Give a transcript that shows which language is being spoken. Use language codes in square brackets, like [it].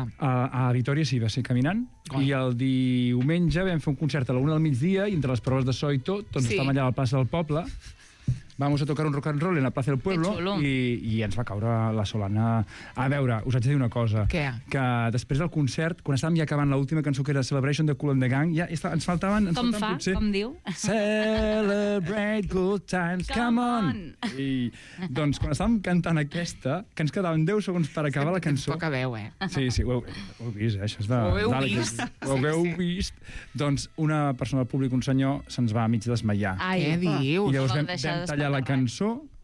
[ca] A Vitòria sí, va ser caminant. Oi. I el diumenge vam fer un concert a la 1:00 PM i entre les proves de so i tot, doncs sí. Estàvem allà a la plaça del poble... [es] Vamos a tocar un rock and roll en la plaça del Pueblo [ca] i ens va caure la solana. A veure, us haig de dir una cosa. Què? Que després del concert, quan estàvem ja acabant l'última cançó, que era Celebration de Cool and the Gang, ja ens faltaven... Com fa? Potser... Com diu? [en] Celebrate good times, come on! [ca] I doncs quan estàvem cantant aquesta, que ens quedaven 10 segons per acabar la cançó... Poca veu, Sí, sí, ho heu vist, això és de... Ho heu vist? Doncs una persona del públic, un senyor, se'ns va a mig desmaiar. Què dius? I llavors vam tallar la cançó.